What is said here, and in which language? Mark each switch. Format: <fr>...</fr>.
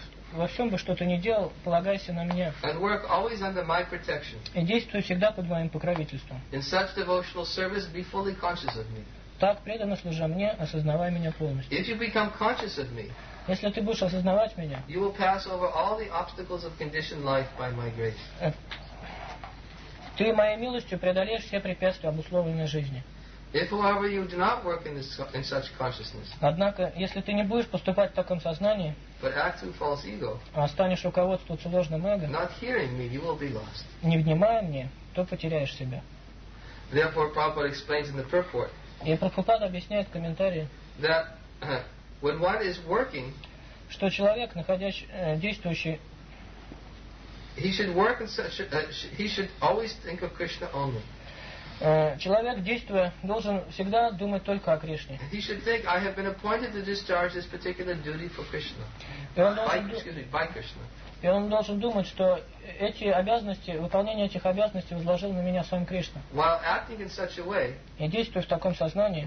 <ru>Во всем бы что-то ни делал, полагайся на меня.</ru> <en>And work always under my protection.</en> <ru>И действуй всегда под моим покровительством.</ru> <en>In such devotional service, be fully conscious of me.</en> <ru>Так преданно служа мне, осознавай меня полностью.</ru> <en>If you become conscious of me,</en> <ru>если ты будешь осознавать меня,</ru> <en>you will pass over all the obstacles of conditioned life by my grace.</en> <ru>Ты моей милостью преодолеешь все препятствия обусловленной жизни.</ru> <en>If, however, you do not work in, this, in such consciousness,</en> <ru>однако, если ты не будешь поступать в таком сознании,</ru> <en>but act through false ego,</en> <ru>а станешь руководствоваться ложным эго,</ru> <en>not hearing me, you will be lost.</en> <ru>Не внимая мне, то потеряешь себя.</ru> <en>Therefore, Prabhupada explains in the purport,</en> <ru>и Прабхупада объясняет в комментарии,</ru> <en>that when one is working,</en> <ru>что человек, действующий,</ru> <en>he should work in such he should always think of Krishna only.</en> <ru>Человек, действуя, должен всегда думать только о Кришне.</ru> <en>He should think, I have been appointed to discharge this particular duty for Krishna. By Krishna.</en> <ru>И он должен думать, что эти обязанности, выполнение этих обязанностей возложил на меня сам Кришна.</ru> <en>While acting in such a way,</en> <ru>и действуя в таком сознании,</ru>